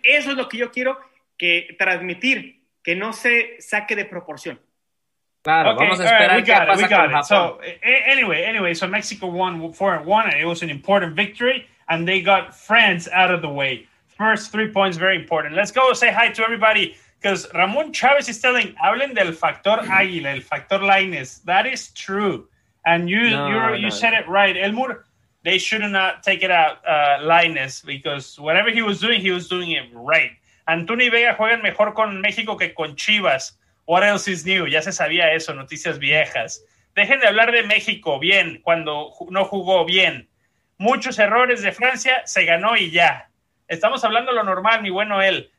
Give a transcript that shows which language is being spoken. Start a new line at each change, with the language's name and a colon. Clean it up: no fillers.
Spanish: Eso es lo que yo quiero que transmitir. Que no se saque de proporción. Claro, okay, vamos a esperar right, qué pasa con Japón.
English: So, anyway, Mexico won 4-1. It was an important victory, and they got France out of the way. First 3 points, very important. Let's go say hi to everybody, because Ramón Chávez is telling,
Spanish: hablen del factor águila, el factor Lainez.
English: That is true. And you said it right. Elmur, they should not take it out Lainez, because whatever he was doing it right.
Spanish: Antuni Vega juega mejor con México que con Chivas.
English: What else is new?
Spanish: Ya se sabía eso, noticias viejas. Dejen de hablar de México bien cuando no jugó bien. Muchos errores de Francia, se ganó y ya. Estamos hablando lo normal, mi bueno él.